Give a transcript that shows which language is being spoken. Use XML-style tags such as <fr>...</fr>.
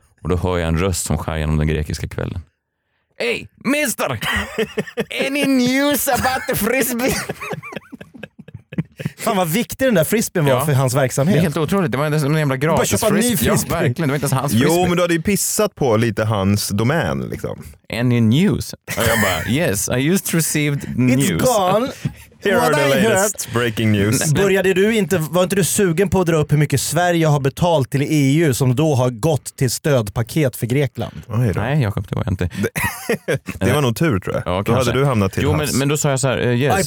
<sv>Och då hör jag en röst som skär genom den grekiska kvällen.</sv> <en>Hey, mister! Any news about the frisbee?</en> <sv>Fan, vad viktig den där frisbeen var för hans verksamhet. Det är helt otroligt. Det var en jävla gratis frisbee. Ny frisbee. Ja, verkligen. Det var inte hans frisbee. Jo, men du hade ju pissat på lite hans domän, liksom.</sv> <en>Any news?</en> <sv>Och jag bara,</sv> <en>yes, I just received news. It's gone. Here are the latest breaking news.</en> <sv>Började du inte, var inte du sugen på att dra upp hur mycket Sverige har betalt till EU som då har gått till stödpaket för Grekland? Nej, Jakob, det var jag inte. Det var nog tur, tror jag. Ja, då hade du hamnat till hans. Jo, men då sa jag så här, yes.</sv>